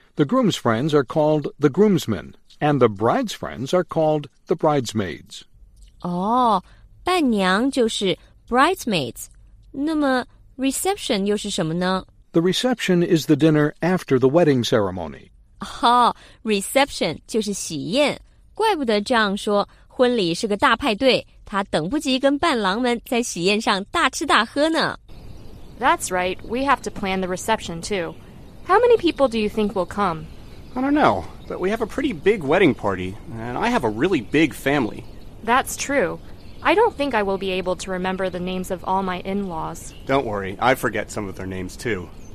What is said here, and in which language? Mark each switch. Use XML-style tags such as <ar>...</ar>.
<en>The groom's friends are called the groomsmen, and the bride's friends are called the bridesmaids.</en> <zh>哦，伴娘就是 bridesmaids. 那么 reception 又是什么呢？</zh> <en>The reception is the dinner after the wedding ceremony.</en> <zh>哦， reception 就是喜宴。怪不得这样说，婚礼是个大派对。他等不及跟伴郎们在喜宴上大吃大喝呢。</zh> <en>That's right. We have to plan the reception, too. How many people do you think will come? I don't know, but we have a pretty big wedding party, and I have a really big family. That's true. I don't think I will be able to remember the names of all my in-laws. Don't worry. I forget some of their names, too.</en>